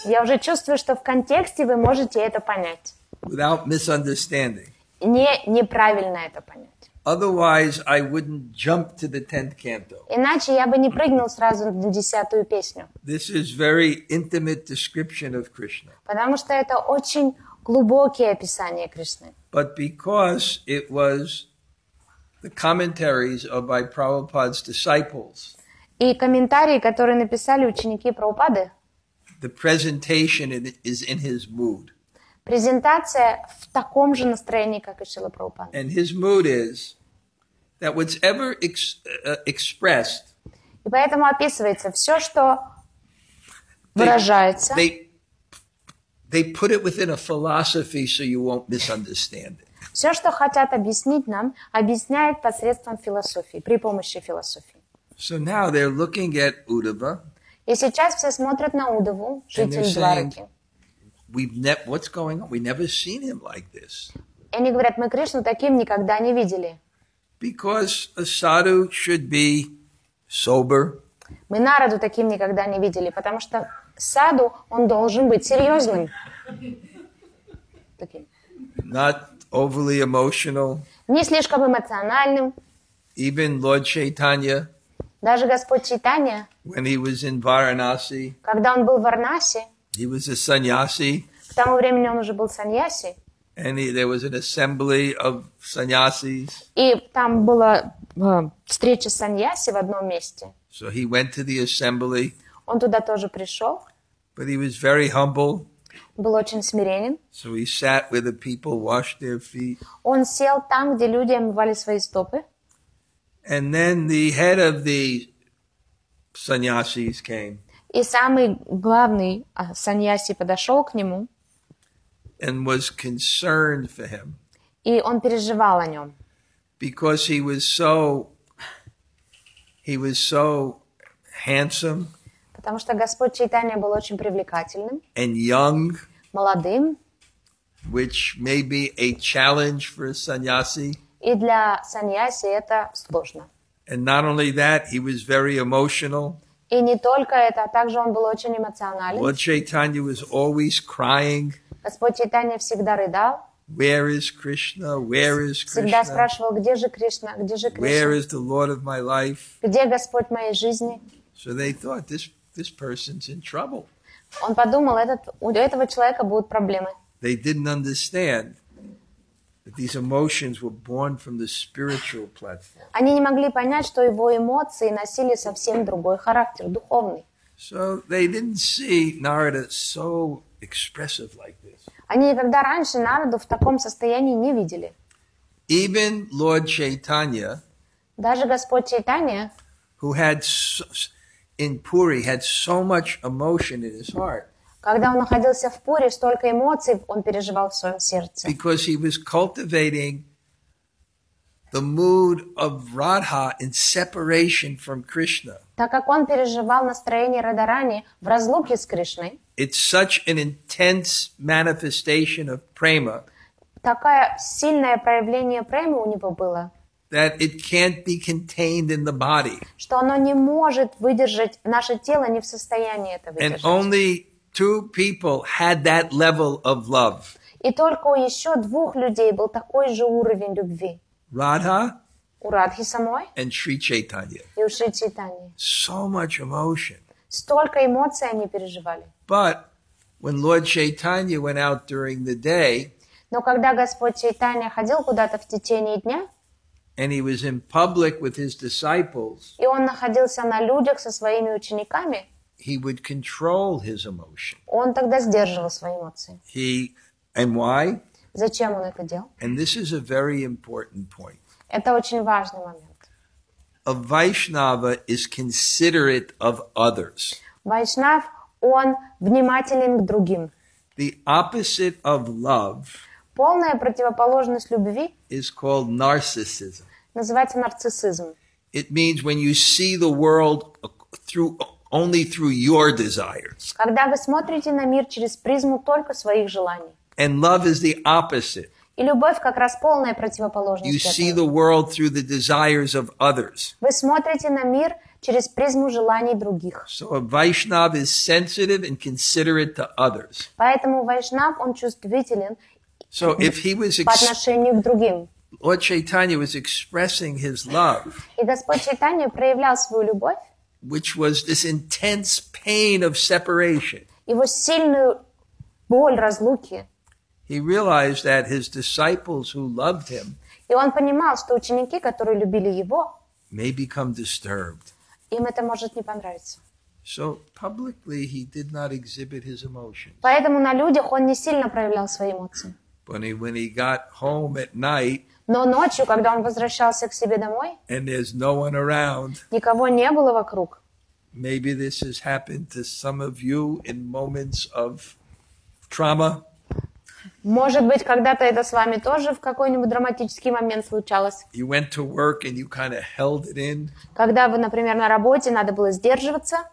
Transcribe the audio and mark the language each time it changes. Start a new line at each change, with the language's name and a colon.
Russian: Я уже чувствую, что в контексте вы можете это понять.
English: Without misunderstanding.
Russian: Неправильно это понять.
English: Otherwise, I wouldn't jump to the 10th canto.
Russian: Иначе я бы не прыгнул сразу на 10-ю песню.
English: This is very intimate description of Krishna.
Russian: Потому что это очень глубокие описания Кришны.
English: But because it was the commentaries of by Prabhupada's disciples.
Russian: И комментарии, которые написали ученики Прабхупады.
English: The presentation is in his mood.
Russian: Презентация в таком же настроении, как и Шрила Прабхупада.
English: And his mood is that what's ever expressed.
Russian: И поэтому описывается все, что выражается.
English: They put it within a philosophy, so you won't misunderstand it.
Russian: Все, что хотят объяснить нам, объясняют посредством философии, при помощи философии.
English: So now they're looking at Uddhava.
Russian: И сейчас все смотрят на Удаву, жителя Дварки.
English: What's going on? We've never seen him like this.
Russian: И они говорят, мы Кришну таким никогда не видели.
English: Because a sadhu should be sober.
Russian: Мы Нараду таким никогда не видели, потому что саду он должен быть серьезным. Таким.
English: Not overly emotional.
Russian: Не слишком эмоциональным.
English: Even Lord Chaitanya.
Russian: Даже Господь Чайтанья.
English: When he was in Varanasi.
Russian: Когда он был в Варанаси.
English: He was a sannyasi.
Russian: К тому времени он уже был саньяси.
English: And there was an assembly of sannyasis.
Russian: И там была встреча саньяси в одном месте.
English: So he went to the assembly.
Russian: Он туда тоже пришел.
English: But he was very humble.
Russian: Был очень смиренен.
English: So he sat where the people washed their feet.
Russian: Он сел там, где люди омывали свои стопы.
English: And then the head of the sannyasis came.
Russian: И самый главный саньяси подошел к нему.
English: And was concerned for him.
Russian: И он переживал о нем.
English: Because he was so handsome.
Russian: Потому что Господь Чайтанья был очень привлекательным.
English: And young.
Russian: Молодым.
English: Which may be a challenge for a sannyasi.
Russian: И для саньяси это сложно.
English: And not only that, he was very emotional.
Russian: И не только это, а также он был очень эмоциональным.
English: Lord Chaitanya was always crying.
Russian: Господь Чайтанья всегда рыдал.
English: Where is Krishna? Where is Krishna?
Russian: Всегда спрашивал, где же Кришна? Где же Кришна?
English: Where is the Lord of my life?
Russian: Где Господь моей жизни?
English: So they thought this person's in trouble.
Russian: Он подумал, у этого человека будут проблемы.
English: They didn't understand that these emotions were born from the spiritual platform.
Russian: Они не могли понять, что его эмоции носили совсем другой характер, духовный.
English: So they didn't see Narada so expressive like this.
Russian: Они никогда раньше Нараду в таком состоянии не видели.
English: Even Lord Chaitanya,
Russian: даже Господь Чайтанья,
English: who had in Puri had so much emotion in his heart.
Russian: Когда он находился в Пури, столько эмоций он переживал в своем сердце.
English: Because he was cultivating the mood of Radha in separation from Krishna.
Russian: Так как он переживал настроение Радхарани в разлуке с Кришной.
English: It's such an intense manifestation of prema.
Russian: Такое сильное проявление премы у него было.
English: That it can't be contained in the body.
Russian: Что оно не может выдержать, наше тело не в состоянии это выдержать.
English: And only two people had that level of love.
Russian: И только у еще двух людей был такой же уровень любви.
English: Radha.
Russian: У Радхи самой.
English: And Sri Chaitanya.
Russian: И у Шри Чайтаньи.
English: So much emotion.
Russian: Столько эмоций они переживали.
English: But when Lord Chaitanya went out during the day.
Russian: Но когда Господь Чайтанья ходил куда-то в течение дня.
English: And he was in public with his disciples.
Russian: И он находился на людях со своими учениками.
English: He would control his emotion.
Russian: Он тогда сдерживал свои эмоции.
English: And why?
Russian: Зачем он это делал?
English: And this is a very important point.
Russian: Это очень важный момент.
English: A Vaishnava is considerate of others.
Russian: Вайшнав, он внимателен к другим.
English: The opposite of love.
Russian: Полная противоположность любви.
English: Is called narcissism.
Russian: Называется нарциссизм.
English: It means when you see the world through only through your desires.
Russian: Когда вы смотрите на мир через призму только своих желаний.
English: And love is the opposite.
Russian: И любовь как раз полная противоположность этому.
English: You see the world through the desires of others.
Russian: Вы смотрите на мир через призму желаний других.
English: So a Vaishnav is sensitive and considerate to others.
Russian: Поэтому Вайшнав, он чувствителен
English: so if he was
Russian: по отношению к другим.
English: Lord Chaitanya was expressing his love.
Russian: И Господь Чайтанья проявлял свою любовь.
English: Which was this intense pain of separation.
Russian: Его сильную боль разлуки.
English: He realized that his disciples who loved him.
Russian: И он понимал, что ученики, которые любили его.
English: May become disturbed.
Russian: Им это может не понравиться.
English: So publicly he did not exhibit his emotions.
Russian: Поэтому на людях он не сильно проявлял свои эмоции.
English: But when he got home at night.
Russian: Но ночью, когда он возвращался к себе домой.
English: And there's no one around.
Russian: Никого не было вокруг.
English: Maybe this has happened to some of you in moments of trauma.
Russian: Может быть, когда-то это с вами тоже в какой-нибудь драматический момент случалось.
English: You went to work and you kind of held it in.
Russian: Когда вы, например, на работе, надо было сдерживаться.